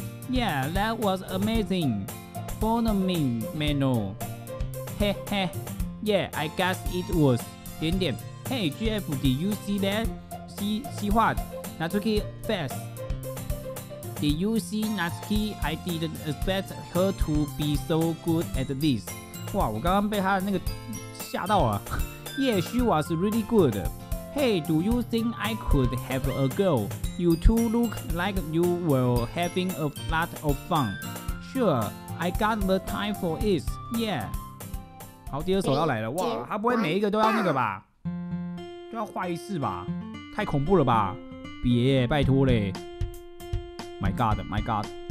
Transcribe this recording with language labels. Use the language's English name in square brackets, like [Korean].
[English] Yeah, that was amazing. Follow me, Mano. Yeah, I guess it was. 点点。 Hey, GF, did you see that? See what? Natsuki face. Did you see Natsuki? I didn't expect her to be so good at this. [Chinese] 哇，我刚刚被她那个吓到啊。 [English] Yeah, she was really good. Hey, do you think I could have a go? You two look like you were having a lot of fun. Sure, I got the time for it. Yeah. [Chinese] 好，第二首要来了。哇，他不会每一个都要那个吧？都要坏一次吧？太恐怖了吧！别，拜托嘞 ！ [English] My God, my God。